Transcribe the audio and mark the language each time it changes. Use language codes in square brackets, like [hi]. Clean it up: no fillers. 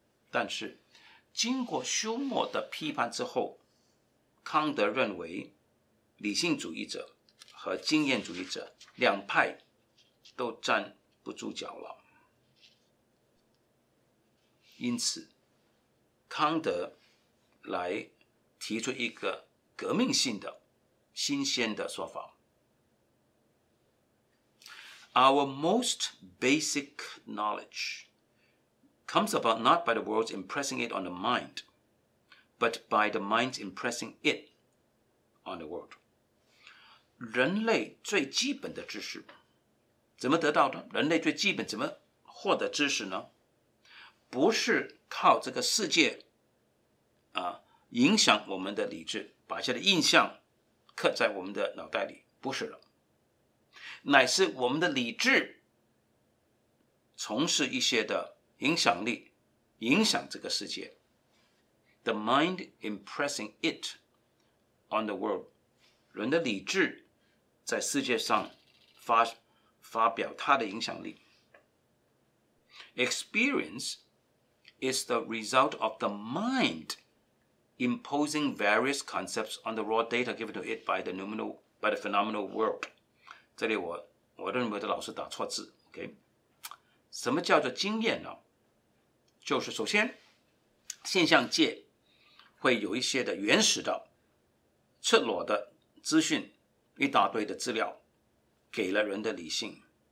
[zh] 但是经过休谟的批判之后，康德认为理性主义者和经验主义者两派都站不住脚了。因此康德来提出一个革命性的新鲜的说法。 [en] Our most basic knowledge comes about not by the world's impressing it on the mind, but by the mind's impressing it on the world。 [zh] 人类最基本的知识。怎么得到的？人类最基本怎么获得知识呢？不是靠这个世界啊，影响我们的理智，把这些印象刻在我们的脑袋里，不是了，乃是我们的理智从事一些的影响力，影响这个世界。 [en] The mind impressing it on the world， [zh] 人的理智在世界上 发表它的影响力。 [en] Experience is the result of the mind imposing various concepts on the raw data given to it by the noumenal by the phenomenal world。 [zh] 这里我认为的老师打错字 ，OK？ 什么叫做经验呢？就是首先，现象界会有一些的原始的、赤裸的资讯，一大堆的资料，给了人的理性。